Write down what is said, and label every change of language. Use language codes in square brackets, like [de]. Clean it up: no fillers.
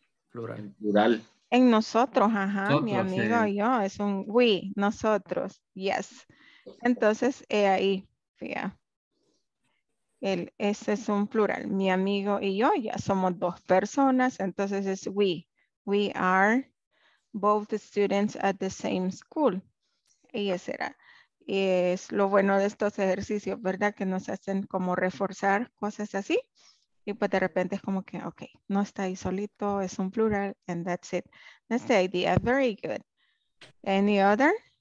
[es] Plural. Plural. En nosotros, ajá, nosotros, mi amigo sí. Y yo, es un we, nosotros, yes. Entonces, he ahí, fíjate. Ese es un plural, mi amigo y yo, ya somos dos personas, entonces es we. [en] We are both students at the same school. [es] Y ese era, y es lo bueno de estos ejercicios, ¿verdad? Que nos hacen como reforzar cosas así. Y pues de repente es como que, ok, no está ahí solito, es un plural, [en] and that's it. That's the idea, very good. Any other?